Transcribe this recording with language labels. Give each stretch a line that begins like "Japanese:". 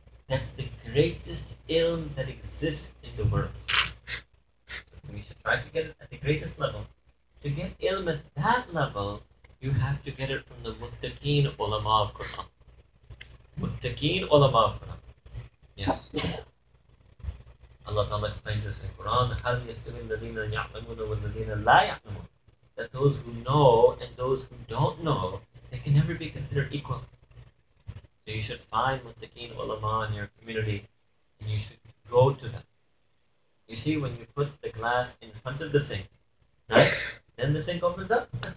English: That's the greatest ilm that exists in the world. We should try to get it at the greatest level. To get ilm at that level, you have to get it from the muttaqeen ulama of Quran. Muttaqeen ulama of Quran. Yes. Allah Ta'ala explains this in Quran,
Arabic: هَلْ يَسْتُوِي الَّذِينَ يَعْلَمُونَ وَالَّذِينَ لَا يَعْلَمُونَ.
English: That those who know and those who don't know, they can never be considered equal. So you should find muttaqeen ulama in your community, and you should go to them. You see, when you put the glass in front of the sink, right? Then the sink opens up.